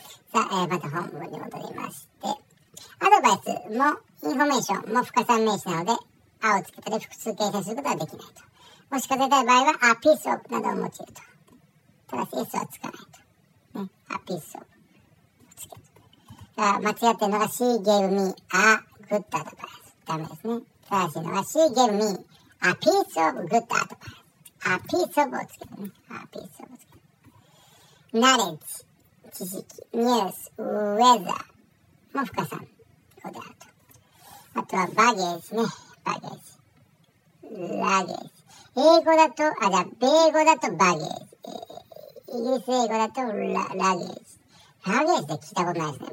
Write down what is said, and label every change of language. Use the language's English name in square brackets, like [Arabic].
[Japanese] さあ、また本文に戻りまして、アドバイスもインフォメーションも不可算名詞なので、アをつけたり複数形成することはできないと。もし数えたい場合は、a piece of などを用いると。ただし、s はつかないと。ね。a piece of。 つけると。だから、間違ってるのが、 [English] she gave me a good advice。 [Japanese] ダメですね。正しいのが、 [English] she gave me a piece of good advice。 [Japanese] a piece of をつけるね。 a piece of をつける。 knowledge、知識、news、weather も不可算。ここであると。あとは、baggage ね。バゲージ。ラゲージ。英語だと、あ、じゃあ、米語だとバゲージ。イギリス英語だとラゲージ。ラゲージで聞いたことないですね。